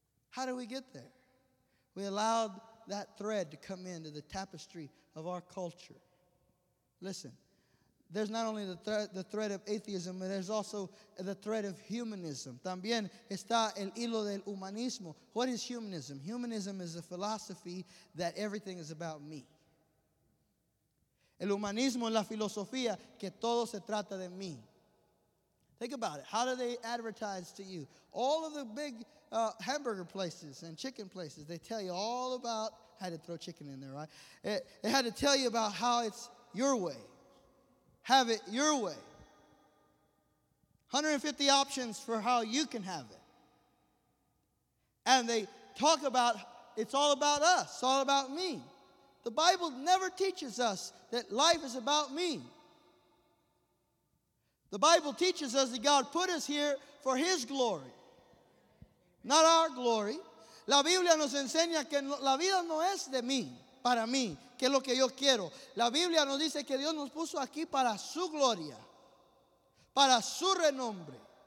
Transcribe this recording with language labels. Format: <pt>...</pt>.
<en>How do we get there? We allowed that thread to come into the tapestry of our culture. Listen. There's not only the threat of atheism, but there's also the threat of humanism.</en> <es>También está el hilo del humanismo.</es> <en>What is humanism? Humanism is a philosophy that everything is about me.</en> <es>El humanismo es la filosofía que todo se trata de mí.</es> <en>Think about it. How do they advertise to you? All of the big hamburger places and chicken places, they tell you all about, I had to throw chicken in there, right? They had to tell you about how it's your way. Have it your way. 150 options for how you can have it. And they talk about, it's all about us, it's all about me. The Bible never teaches us that life is about me. The Bible teaches us that God put us here for His glory, not our glory.</en> <es>La Biblia nos enseña que la vida no es de mí, para mí. Que es lo que yo quiero. La Biblia nos dice que Dios nos puso aquí para su gloria, para su renombre.</es>